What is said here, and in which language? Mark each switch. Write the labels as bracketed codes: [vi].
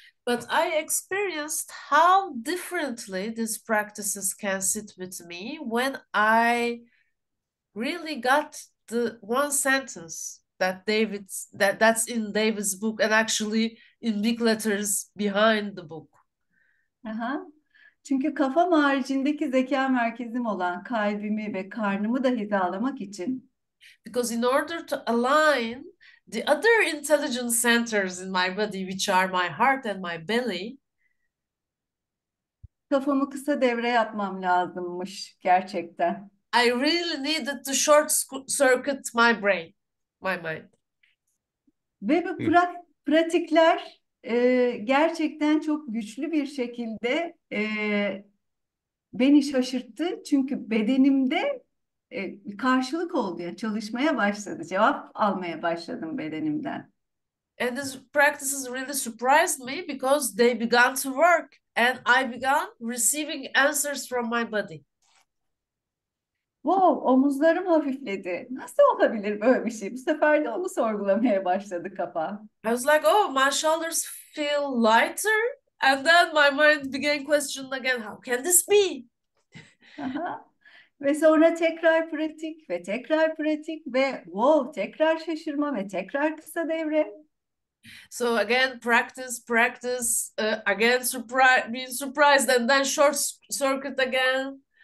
[en] But I experienced how differently these practices can sit with me when I really got the one sentence that's in David's book and actually in big letters behind the book. Aha. [tr] Çünkü kafam haricindeki zeka merkezim olan kalbimi ve karnımı da hizalamak için. [en] Because in order to align the other intelligent centers in my body, which are my heart and my belly. [tr] Kafamı kısa devre yapmam lazımmış gerçekten. [en] I really needed to short circuit my brain. My mind. [tr] Ve bu pratikler gerçekten çok güçlü bir şekilde beni şaşırttı. Çünkü bedenimde karşılık oldu ya, çalışmaya başladı. Cevap almaya başladım bedenimden. [en] And these practices really surprised me because they began to work and I began receiving answers from my body. [tr] Wow, omuzlarım hafifledi. Nasıl olabilir böyle bir şey? Bu sefer de onu sorgulamaya başladı kafa. [en] I was like, oh, my shoulders feel lighter. And then my mind began questioning again, how can this be? [tr] Ve sonra tekrar pratik ve tekrar pratik ve wow, tekrar şaşırma ve tekrar kısa devre. [en] So again, practice, again, being surprised and then short circuit again.